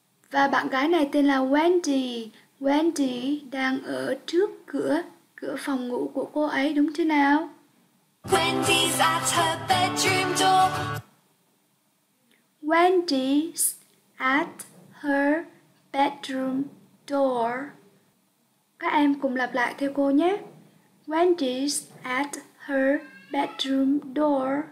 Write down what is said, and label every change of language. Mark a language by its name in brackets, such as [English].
[Vietnamese] Và bạn gái này tên là Wendy. Wendy đang ở trước cửa phòng ngủ của cô ấy, đúng chứ nào? [English] Wendy's at her bedroom door. Wendy's at her bedroom door. [Vietnamese] Các em cùng lặp lại theo cô nhé. [English] Wendy's at her bedroom door.